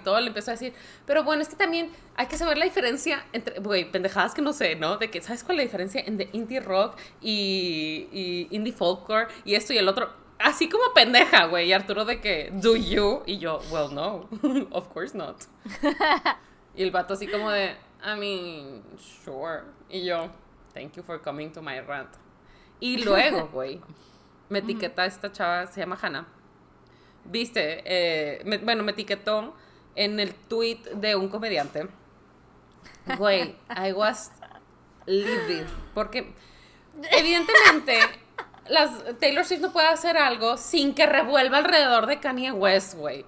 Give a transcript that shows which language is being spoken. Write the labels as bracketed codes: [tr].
[es] Y todo, le empezó a decir, pero bueno, es que también hay que saber la diferencia entre, güey, pendejadas que no sé, ¿no? De que, ¿sabes cuál es la diferencia entre indie rock y indie folklore y esto y el otro? Así como pendeja, güey. Y Arturo de que, [en] do you? [es] Y yo, [en] well, no, of course not. [es] Y el vato así como de, [en] I mean, sure. [es] Y yo, [en] thank you for coming to my rant. [es] Y luego, güey, me etiqueta esta chava, se llama Hannah. Viste, me etiquetó en el tweet de un comediante. Güey, [en] I was livid. [es] Porque, evidentemente, Taylor Swift no puede hacer algo sin que revuelva alrededor de Kanye West, güey.